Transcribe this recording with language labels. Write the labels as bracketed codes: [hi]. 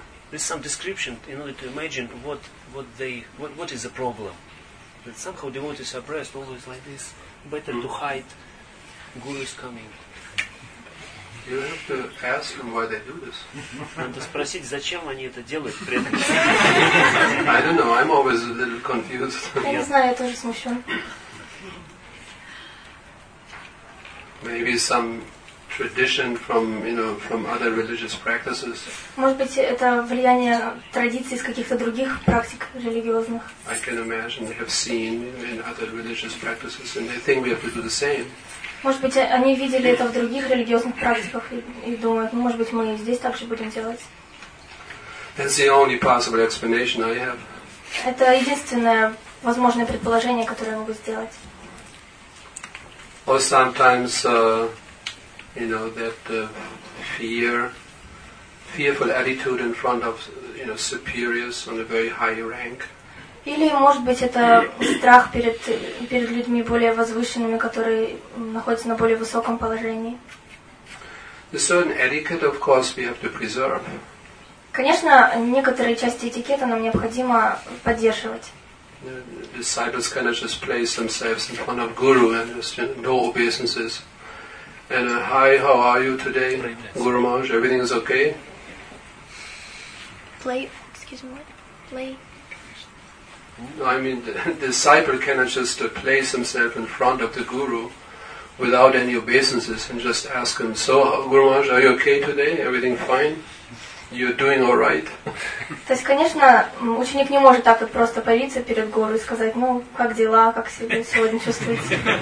[en] There's some description in order to imagine what is the problem. That somehow devotees are oppressed always like this. Better to hide. Guru is coming. You have to ask them why they do this. [ru] Надо спросить, зачем они это делают. [en] I don't know, I'm always a little confused. [ru] Я не знаю, я тоже смущен. [en] Maybe some tradition from, you know, from other religious practices. [ru] Может быть, это влияние традиций из каких-то других практик религиозных. [en] I can imagine they have seen in other religious practices and they think we have to do the same. [ru] Может быть, они видели это в других религиозных практиках и думают, ну, может быть, мы здесь так же будем делать. [en] That's the only possible explanation I have. [ru] Это единственное возможное предположение, которое я могу сделать. [en] Or sometimes you know, that fearful attitude in front of, you know, superiors on a very high rank. [ru] Или, может быть, это страх перед людьми более возвышенными, которые находятся на более высоком положении. [en] The certain etiquette, of course, we have to preserve. [ru] Конечно, некоторые части этикета нам необходимо поддерживать. [en] The disciples cannot just place themselves in front of guru and just, you know, no obeisances. And hi, how are you today, Guru Maharaj? Everything is okay? I mean, the disciple cannot just place himself in front of the guru without any obeisances and just ask him, so, Guru Maharaj, are you okay today? Everything fine? You're doing all right? [ru] То есть, конечно, ученик не может так вот просто появиться перед гуру и сказать, ну, как дела, как себя сегодня чувствуете?